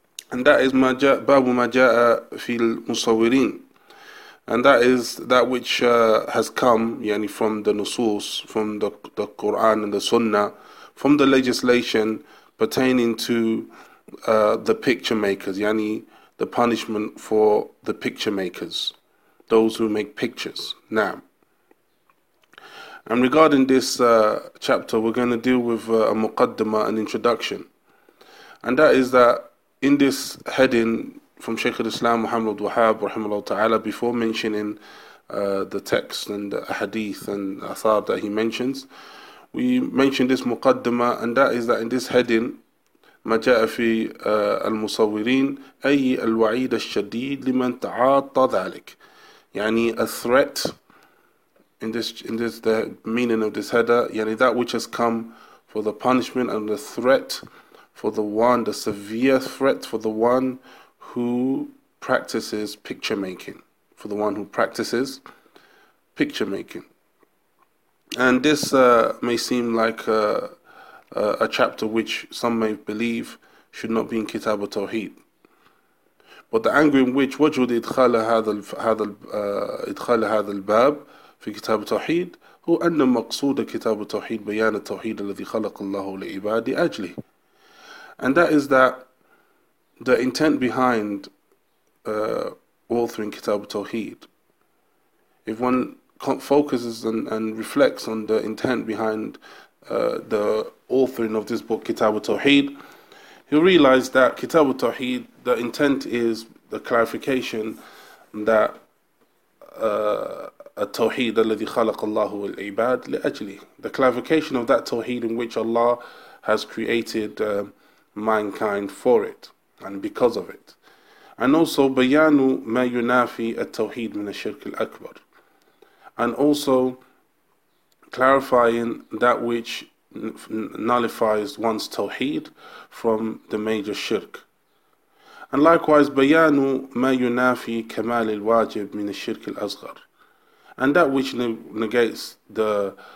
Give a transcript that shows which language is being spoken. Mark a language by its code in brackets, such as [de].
[en] and that is Babu Maja'a Fil Musawirin and that is that which has come yani from the Nusus from the Quran and the Sunnah from the legislation pertaining to the picture makers yani the punishment for the picture makers, those who make pictures. Now, and regarding this chapter, we're going to deal with a muqaddimah, an introduction. And that is that in this heading from Shaykh al-Islam Muhammad al-Wahhab, rahimahullah ta'ala, before mentioning the text and the hadith and athar that he mentions, we mentioned this muqaddimah, and that is that in this heading, [ar] ما جاء في المصورين أي الوعيد الشديد لمن تعاطى ذلك يعني [en] a threat in this the meaning of this header يعني that which has come for the punishment and the threat for the one the severe threat for the one who practices picture making for the one who practices picture making and this may seem like a chapter which some may believe should not be in Kitab al-Tawheed. But the angle in which [ar] وجود إدخال هذا الباب في كتاب التوحيد هو أن مقصود كتاب التوحيد بيان التوحيد الذي خلق الله لعباده أجله. [en] And that is that the intent behind authoring Kitab al-Tawheed, if one focuses and reflects on the intent behind the authoring of this book, Kitab al-Tawheed, he realized that Kitab al-Tawheed, the intent is the clarification that [ar] التوحيد الذي خلق الله العباد لأجله. [en] The clarification of that Tawheed in which Allah has created mankind for it and because of it. And also, [ar] بيان ما ينافي التوحيد من الشرك الأكبر. [en] And also, clarifying that which nullifies one's tawheed from the major shirk. And likewise, [ar] bayanu ma yunafi kamal al-wajib min al-shirk al-asghar. [en] And that which negates the